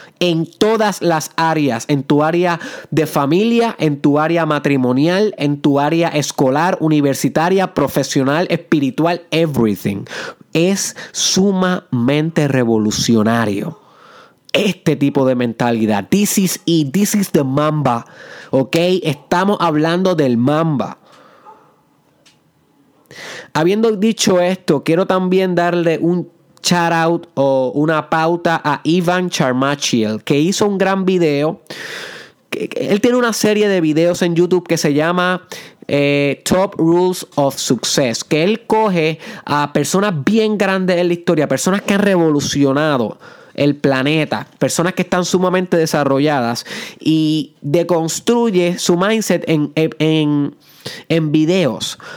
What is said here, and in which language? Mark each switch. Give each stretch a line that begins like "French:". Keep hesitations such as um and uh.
Spanish: En todas las áreas, en tu área de familia, en tu área matrimonial, en tu área escolar, universitaria, profesional, espiritual, everything. Es sumamente revolucionario este tipo de mentalidad.
English: This is it, this is the mamba.
Spanish: Ok, estamos hablando del mamba. Habiendo dicho esto, quiero también darle un shout out o una pauta a Ivan Charmachiel, que hizo un gran video. Él tiene una serie de videos en YouTube que se llama eh, Top Rules of Success, que él coge a personas bien grandes en la historia, personas que han revolucionado el planeta, personas que están sumamente desarrolladas y deconstruye su mindset en, en, en, videos.